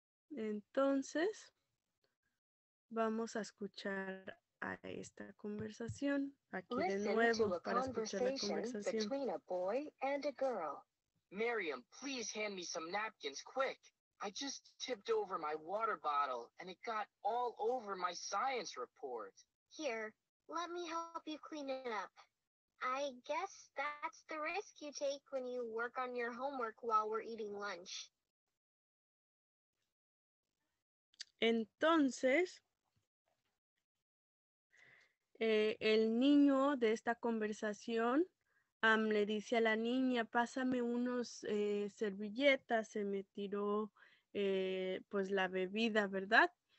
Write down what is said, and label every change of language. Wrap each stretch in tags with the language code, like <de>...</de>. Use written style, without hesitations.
<es>Entonces, vamos a escuchar a esta conversación aquí.</es> <en>Listen</en> <es>de nuevo</es> <en>to a</en> <es>para escuchar la conversación.</es> <en>Between a boy and a girl. Miriam, please hand me some napkins quick. I just tipped over my water bottle and it got all over my science report. Here, let me help you clean it up. I guess that's the risk you take when you work on your homework while we're eating lunch.</en> <es>Entonces, el niño de esta conversación le dice a la niña, pásame unos servilletas, se me tiró pues la bebida, ¿verdad?</es>